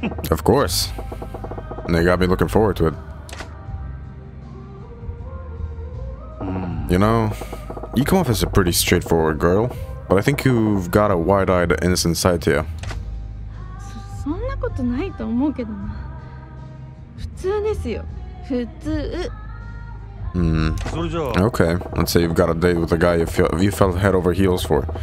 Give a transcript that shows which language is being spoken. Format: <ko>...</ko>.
<en>Of course. They got me looking forward to it. You know, you come off as a pretty straightforward girl, but I think you've got a wide-eyed, innocent side to you.</en> <ja>そんなことないと思うけどな。普通ですよ。普通。</ja> <en>Okay, let's say you've got a date with a guy you fell head over heels for.</en>